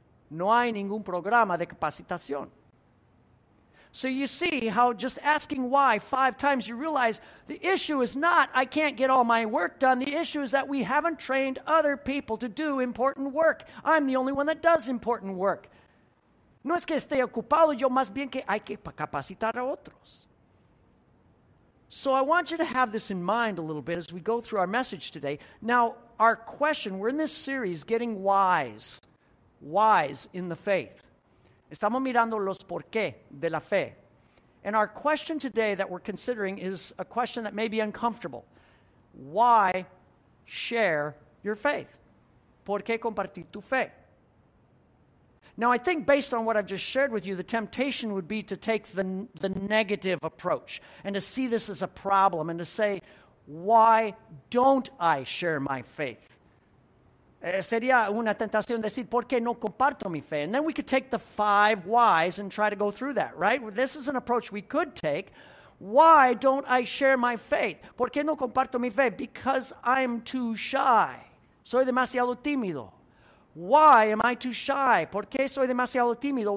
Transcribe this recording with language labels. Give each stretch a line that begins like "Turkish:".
Spanish: No hay ningún programa de capacitación.
English: So you see how just asking why five times, you realize the issue is not I can't get all my work done. The issue is that we haven't trained other people to do important work. I'm the only one that does important work.
Spanish: No es que esté ocupado, yo más bien que hay que capacitar a otros.
English: So I want you to have this in mind a little bit as we go through our message today. Now, our question, we're in this series, Getting Wise, Wise in the Faith.
Spanish: Estamos mirando los por qué de la fe.
English: And our question today that we're considering is a question that may be uncomfortable. Why share your faith?
Spanish: ¿Por qué compartir tu fe?
English: Now, I think based on what I've just shared with you, the temptation would be to take the negative approach and to see this as a problem and to say, why don't I share my faith?
Spanish: Sería una tentación decir, ¿por qué no comparto mi fe?
English: And then we could take the five whys and try to go through that, right? This is an approach we could take. Why don't I share my faith?
Spanish: ¿Por qué no comparto mi fe?
English: Because I'm too shy.
Spanish: Soy demasiado tímido.
English: Why am I too shy?
Spanish: ¿Por qué soy demasiado tímido?